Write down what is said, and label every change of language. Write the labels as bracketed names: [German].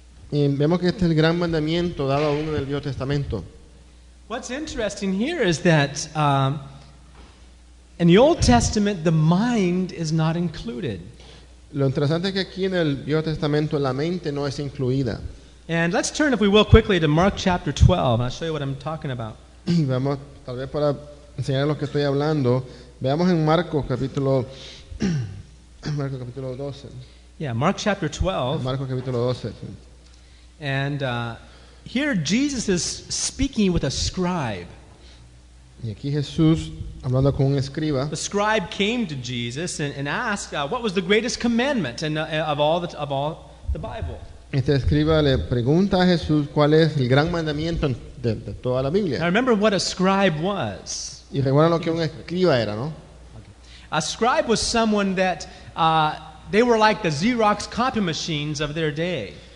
[Spanish] Y vemos que este es el gran mandamiento dado aún en el Viejo Testamento. [English] What's interesting here is that in the Old Testament the mind is not included. [Spanish] Lo interesante es que aquí en el Viejo Testamento la mente no es incluida. [English] And let's turn, if we will, quickly to Mark chapter 12, and I'll show you what I'm talking about. [Spanish] Y vamos tal vez para enseñar lo que estoy hablando. Veamos en Marcos capítulo Marcos capítulo 12. [English] Yeah, Mark chapter 12. [Spanish] Marcos capítulo 12. [English] And here Jesus is speaking with a scribe. [Spanish] Y aquí Jesús hablando con un escriba. [English] The scribe came to Jesus and asked what was the greatest commandment of all the Bible. [Spanish] Este escriba le pregunta a Jesús cuál es el gran mandamiento de toda la Biblia. [English] Now remember what a scribe was. [Spanish] Y recuerda lo que un escriba era, ¿no? [English] A scribe was someone that they were like the Xerox copy machines of their day.